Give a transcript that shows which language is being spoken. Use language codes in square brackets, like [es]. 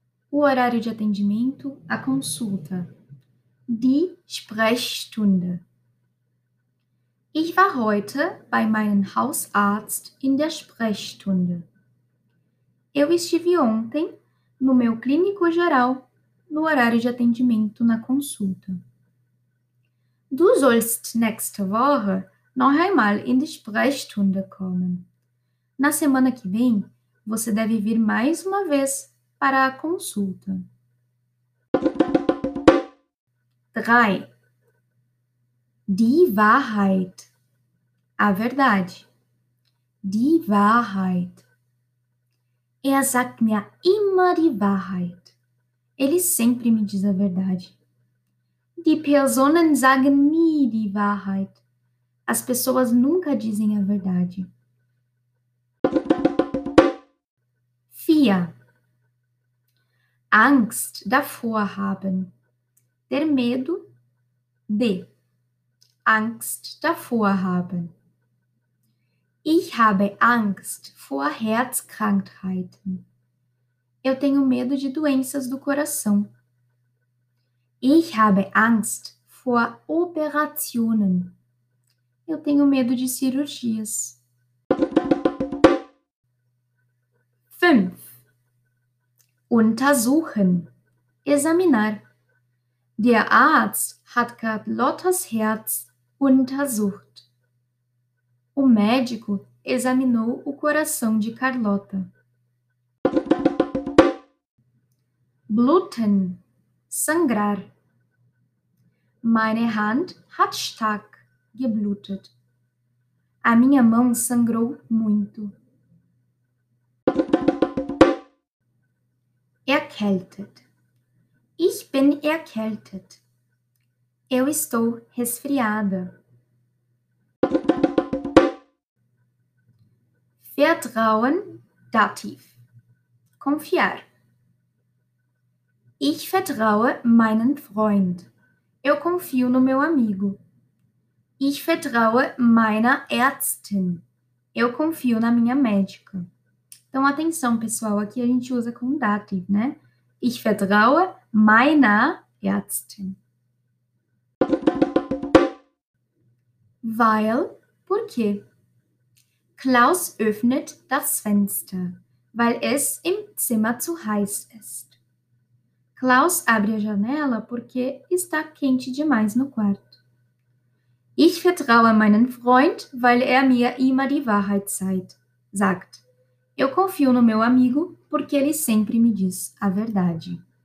[pt] O horário de atendimento, a consulta. [de] Die Sprechstunde. Ich war heute bei meinem Hausarzt in der Sprechstunde. [pt] Eu estive ontem no meu clínico geral, no horário de atendimento, na consulta. [de] Du sollst nächste Woche noch einmal in die Sprechstunde kommen. [pt] Na semana que vem, você deve vir mais uma vez para a consulta. [de] 3. Die Wahrheit. [pt] A verdade. [de] Die Wahrheit. Er sagt mir immer die Wahrheit. [pt] Ele sempre me diz a verdade. [de] Die Personen sagen nie die Wahrheit. [pt] As pessoas nunca dizem a verdade. [de] 4. Angst davor haben. [pt] Ter medo de. [de] Angst davor haben. Ich habe Angst vor Herzkrankheiten. [pt] Eu tenho medo de doenças do coração. [de] Ich habe Angst vor Operationen. [pt] Eu tenho medo de cirurgias. [de] 5. Untersuchen. [pt] Examinar. [de] Der Arzt hat Carlottas Herz untersucht. [pt] O médico examinou o coração de Carlota. [de] Bluten. [pt] Sangrar. [de] Meine Hand hat stark geblutet. [pt] A minha mão sangrou muito. [de] Erkältet. Ich bin erkältet. [pt] Eu estou resfriada. [de] Vertrauen, Dativ. [pt] Confiar. [de] Ich vertraue meinen Freund. [pt] Eu confio no meu amigo. [de] Ich vertraue meiner Ärztin. [pt] Eu confio na minha médica. Então, atenção, pessoal. Aqui a gente usa com Dativ, né? [de] Ich vertraue meiner Ärztin. Weil, [pt] por quê? [de] Klaus öffnet das Fenster, weil es im Zimmer zu heiß ist. [pt] Klaus abre a janela porque está quente demais no quarto. [de] Ich vertraue meinen Freund, weil mir immer die Wahrheit sagt. [pt] Eu confio no meu amigo porque ele sempre me diz a verdade.